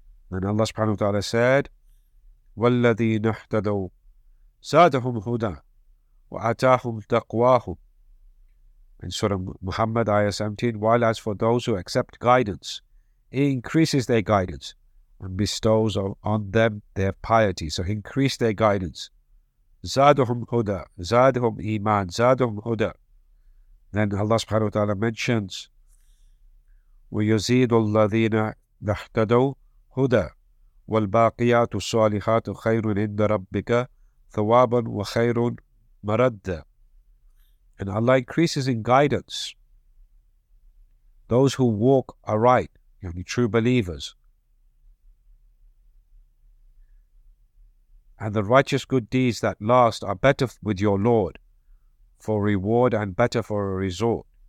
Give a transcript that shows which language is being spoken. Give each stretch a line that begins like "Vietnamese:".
English: And Allah subhanahu wa ta'ala said,
Arabic: وَالَّذِينَ اهْتَدَوْا زَادَهُمْ هُدَى وَأَتَاهُمْ تَقْوَاهُمْ,
English: in Surah Muhammad, ayah 17, while as for those who accept guidance, he increases their guidance and bestows on them their piety. So increase their guidance.
Arabic: Zadhum huda, zadhum iman, zadhum huda.
English: Then Allah subhanahu wa ta'ala mentions,
Arabic: وَيُزِيدُ الَّذِينَ اَحْتَدَوْا هُدَى وَالْبَاقِيَاتُ الصَّالِحَاتُ خَيْرٌ إِنَّ رَبِّكَ ثَوَابًا وَخَيْرٌ مَرَدًّا.
English: And Allah increases in guidance those who walk aright, the true believers. And the righteous good deeds that last are better with your Lord for reward and better for a resort.